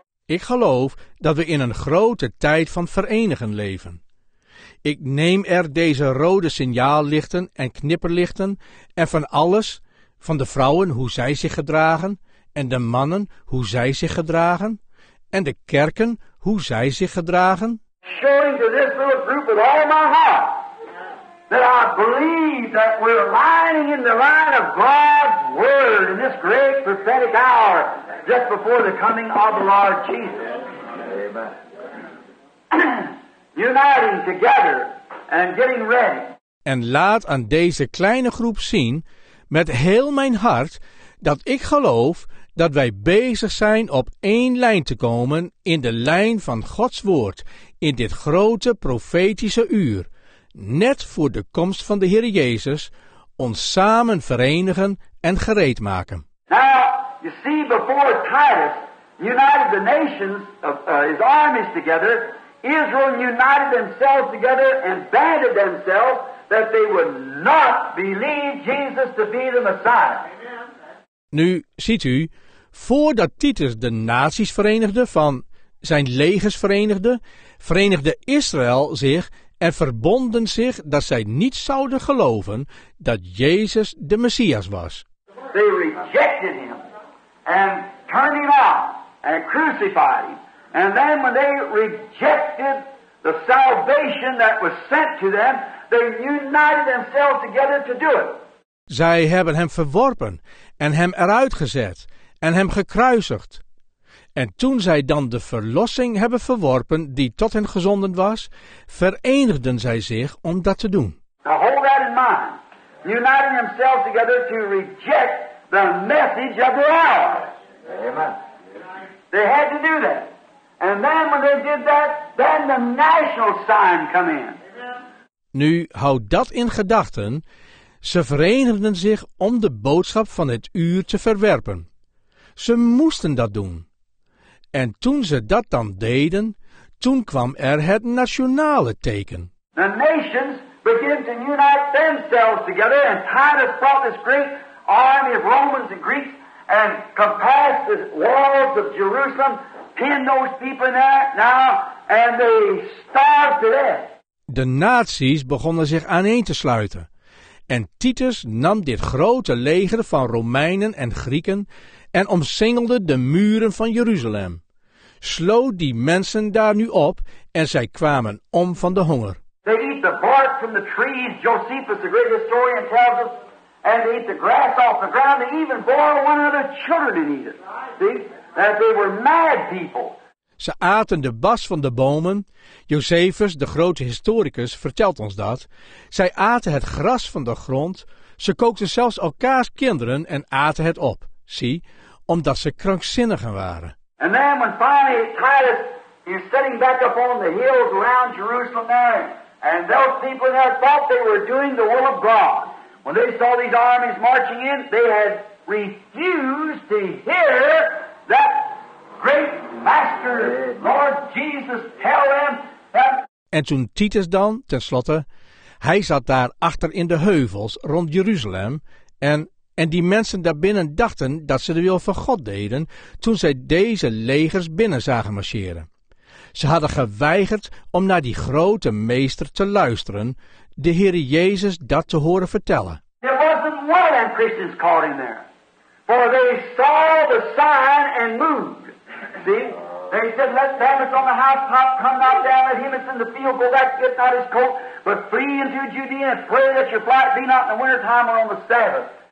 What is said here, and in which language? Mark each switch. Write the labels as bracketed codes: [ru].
[nl] Ik geloof dat we in een grote tijd van verenigen leven. Ik neem er deze rode signaallichten en knipperlichten en van alles, van de vrouwen hoe zij zich gedragen en de mannen hoe zij zich gedragen en de kerken hoe zij zich gedragen. [en] Showing to this little group with all my heart that I believe that we're lining in the line of God's word in this great prophetic hour. Just before the coming of the Lord Jesus. Amen. Uniting together and getting ready. [nl] En laat aan deze kleine groep zien, met heel mijn hart, dat ik geloof dat wij bezig zijn op één lijn te komen in de lijn van Gods woord in dit grote profetische uur, net voor de komst van de Heer Jezus, ons samen verenigen en gereed maken. [en] Now, you see, before Titus united the nations of his armies together, Israel united themselves together and banded themselves that they would not believe Jesus to be the Messiah. Amen. [nl] Nu, ziet u, voordat Titus de naties verenigde, van zijn legers verenigde, verenigde Israël zich en verbonden zich dat zij niet zouden geloven dat Jezus de Messias was. [en] They rejected him. And turned him out and crucified him. And then when they rejected the salvation that was sent to them, they united themselves together to do it. [nl] Zij hebben hem verworpen en hem eruit gezet en hem gekruisigd. En toen zij dan de verlossing hebben verworpen die tot hen gezonden was, verenigden zij zich om dat te doen. [en] Now hold that in mind. Uniting themselves together to reject the message of the hour. Amen. They had to do that. And then when they did that, then the national sign come in. [nl] Nu, houd dat in gedachten. Ze verenigden zich om de boodschap van het uur te verwerpen. Ze moesten dat doen. En toen ze dat dan deden, toen kwam er het nationale teken. [en] The nations begin to unite themselves together and Titus brought this great army of Romans and Greeks and compassed the walls of Jerusalem, pinned those people in there now, and they starved to death. [nl] De naties begonnen zich aaneen te sluiten. En Titus nam dit grote leger van Romeinen en Grieken en omsingelde de muren van Jeruzalem. Sloot die mensen daar nu op en zij kwamen om van de honger. [en] They eat the bark from the trees, Josephus, the great historian, tells us. And they ate the grass off the ground. They even boiled one of their children and eat it. See? That they were mad people. [nl] Ze aten de bas van de bomen. Josephus, de grote historicus, vertelt ons dat. Zij aten het gras van de grond. Ze kookten zelfs elkaars kinderen en aten het op. Zie, omdat ze krankzinnigen waren. [en] And then when finally Titus is sitting back up on the hills around Jerusalem there. And those people there thought they were doing the will of God. When they saw these armies marching in, they had refused to hear that great master, Lord Jesus, tell them. [nl] En toen Titus dan, tenslotte, hij zat daar achter in de heuvels rond Jeruzalem, en die mensen daarbinnen dachten dat ze de wil van God deden, toen zij deze legers binnen zagen marcheren. Ze hadden geweigerd om naar die grote meester te luisteren, de Heere Jezus dat te horen vertellen. [en] There wasn't one of them Christians caught in there. For they saw the sign and moved. See? They said, let Thomas on the housetop come not down, let him that's in the field go back to get not his coat, but flee into Judea and pray that your flight be not in the wintertime or on the Sabbath.